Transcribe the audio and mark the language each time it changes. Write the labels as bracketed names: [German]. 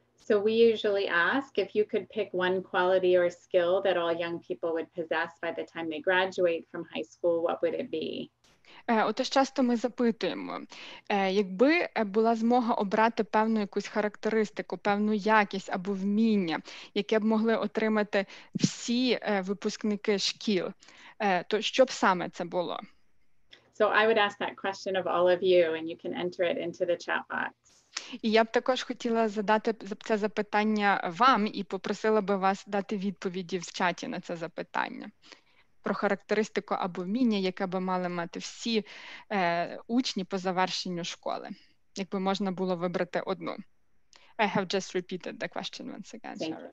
[English] So we usually ask if you could pick one quality or skill that all young people would possess by the time they graduate from high school, what would it be? [Ukrainian] Отож, часто ми запитуємо, якби була змога обрати певну якусь характеристику, певну якість або вміння, яке б могли отримати всі випускники шкіл, то що б саме це було? [English] So I would ask that question of all of you, and you can enter it into the chat box. [Ukrainian] І я б також хотіла задати це запитання вам і попросила би вас дати відповіді в чаті на це запитання про характеристику або вміння, яке би мали мати всі учні по завершенню школи, якби можна було вибрати одну. [English] I have just repeated the question once again, Sharon.